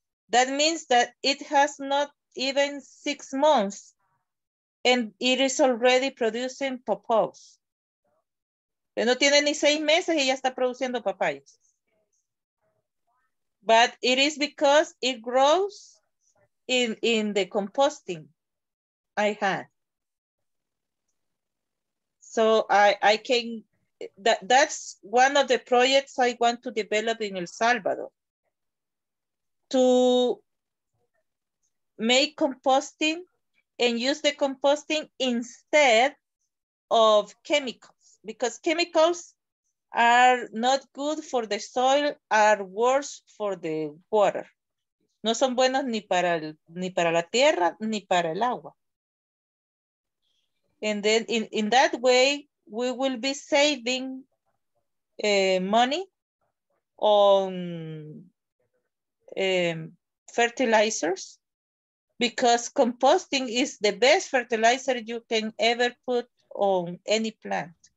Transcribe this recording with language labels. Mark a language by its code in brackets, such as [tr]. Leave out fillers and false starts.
[en] That means that it has not even 6 months and it is already producing papayas. [es] No tiene ni 6 meses y ya está produciendo papayas. [en] But it is because it grows in the composting I had. So I can, that's one of the projects I want to develop in El Salvador, to make composting and use the composting instead of chemicals, because chemicals are not good for the soil, are worse for the water. [es] No son buenos ni para la tierra ni para el agua. [en] And then in that way, we will be saving money on fertilizers, because composting is the best fertilizer you can ever put on any plant.